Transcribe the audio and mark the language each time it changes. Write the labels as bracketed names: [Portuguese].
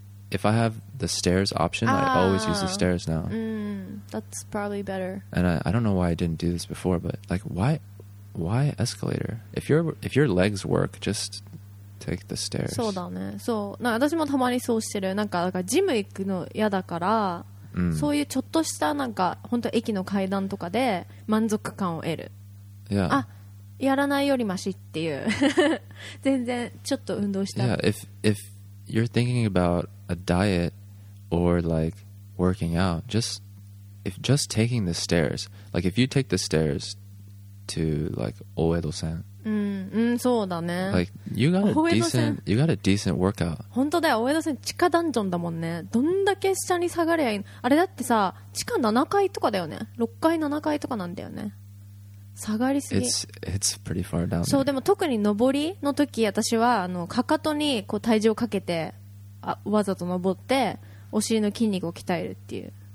[English] If I have the stairs option, I always use the stairs now. That's probably better. And I don't know why I didn't do this before, but like why escalator? If your legs work, just take the stairs. [Japanese] そうだね。そう。なんか私もたまにそうしてる。なんかジム行くの嫌だから。そういうちょっとしたなんか本当駅の階段とかで満足感を得る、 [English] yeah. [Japanese] あやらないよりマシっていう全然ちょっと運動した、 [English] yeah. if you're thinking about a diet or like working out just taking the stairs like if you take the stairs to like 大江戸線 [Japanese] そうだね [English] like you got a decent workout [Japanese] 本当だよ大江戸線地下ダンジョンだもんねどんだけ下に下がりゃいいあれだってさ地下7階とかだよね6階7階とかなんだよね下がりすぎ [English] it's pretty far down [Japanese] そうでも特に上りの時私はあのかかとにこう体重をかけてあわざと上ってお尻の筋肉を鍛えるっていう